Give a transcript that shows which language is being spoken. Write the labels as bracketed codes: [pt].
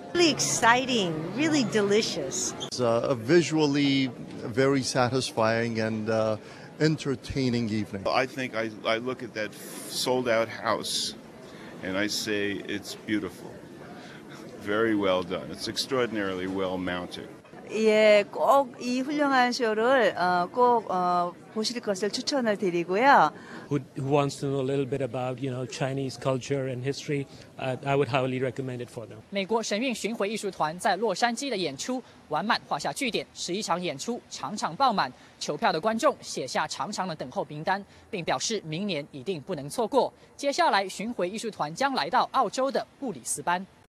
[en] Really exciting, really delicious. It's a visually very satisfying and entertaining evening. I think I look at that sold-out house, and I say it's beautiful. Very well done. It's extraordinarily well mounted. [ko] 예, 꼭 이 훌륭한 쇼를 꼭 보실 것을 추천을 드리고요. [en] Who wants to know a little bit about, you know, Chinese culture and history? I would highly recommend it for them. [zh] 美国神韵巡回艺术团在洛杉矶的演出完满画下句点，十一场演出场场爆满，求票的观众写下长长的等候名单，并表示明年一定不能错过。接下来，巡回艺术团将来到澳洲的布里斯班。